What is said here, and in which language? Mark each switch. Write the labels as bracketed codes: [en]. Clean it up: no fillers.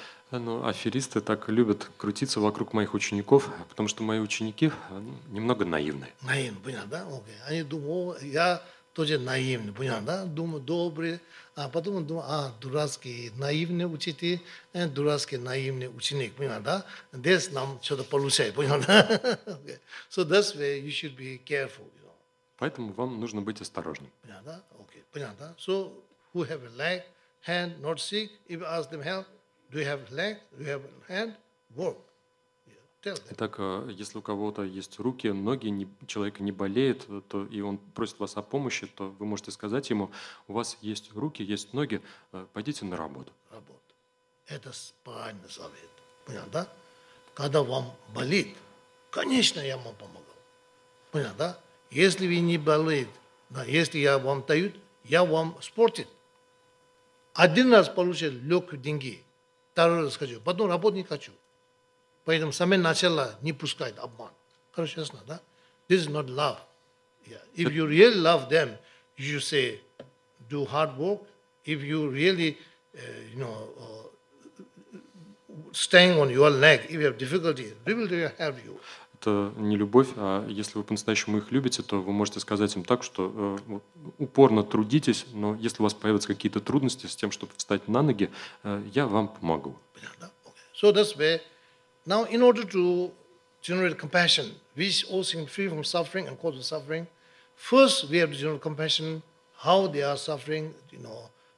[ru] Но аферисты так любят крутиться вокруг моих учеников, потому что мои ученики немного наивные. Наивные, понятно, да? Okay. Они думают, я тоже наивный, понятно, да? Думаю, добрый. А потом он думает, дурацкий наивный учитель, дурацкий наивный ученик, понятно, да? Здесь нам что-то получает, понятно, да? [en] Okay. So that's where you should be careful, you know. [ru] Поэтому вам нужно быть осторожным. Понятно, да? Okay. Понятно, да? [en] So, who have a leg, hand, not sick, if you ask them help, do you have a leg, do you have a hand, work. [ru] Итак, если у кого-то есть руки, ноги, человек не болеет, то, и он просит вас о помощи, то вы можете сказать ему, у вас есть руки, есть ноги, пойдите на работу. Работа. Это правильный совет. Понятно, да? Когда вам болит, конечно, я вам помогу. Понятно, да? Если вы не болеете, да, если я вам даю, я вам спортит. Один раз получил легкие деньги, второй раз хочу, потом работать не хочу. Поэтому сами начала не пускает обман. Хорошо, ясно, да? [en] This is not love. Yeah. If you really love them, you say, do hard work. If you really, you know, staying on your leg, if you have difficulty, they will help you. [ru] Это не любовь, а если вы по-настоящему их любите, то вы можете сказать им так, что упорно трудитесь, но если у вас появятся какие-то трудности с тем, чтобы встать на ноги, я вам помогу. Понятно, да? [en] Okay. So that's where. Now, in order to generate compassion, which all seem free from suffering and cause of suffering, first we have to generate compassion, how they are suffering, you know,